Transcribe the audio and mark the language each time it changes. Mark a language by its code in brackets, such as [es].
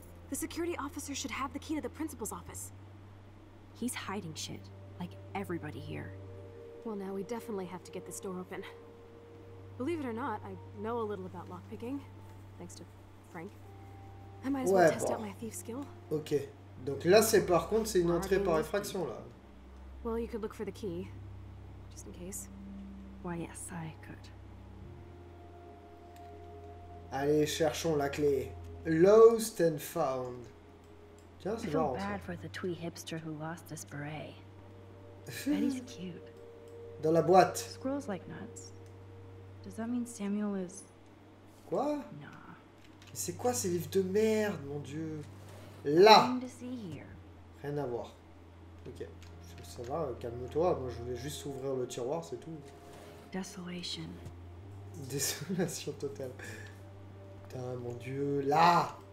[en] The security officer should have the key to the principal's office. He's hiding shit, like everybody here. Well, now we definitely have to get this door open. Believe it or not, I know a little about lockpicking, thanks to Frank. I might as well test out my thief skill. Ok. [fr] Donc là, c'est par contre, c'est une entrée par effraction là. [en] Well, you could look for the key, just in case. Why, yes, I could. [fr] Allez, cherchons la clé. [en] Lost and found. [fr] Tiens, c'est marrant. [en] I feel bad for the twee hipster who lost this beret. Betty's cute. [fr] Dans la boîte. [en] Squirrels like nuts. Does that mean Samuel is? [fr] Quoi? [en] Nah. [fr] C'est quoi ces livres de merde, mon dieu? Là. Rien à voir. Ok. Ça va, calme-toi. Moi, je voulais juste ouvrir le tiroir, c'est tout. [en] Desolation. [fr] Désolation totale. Putain, mon dieu. Là.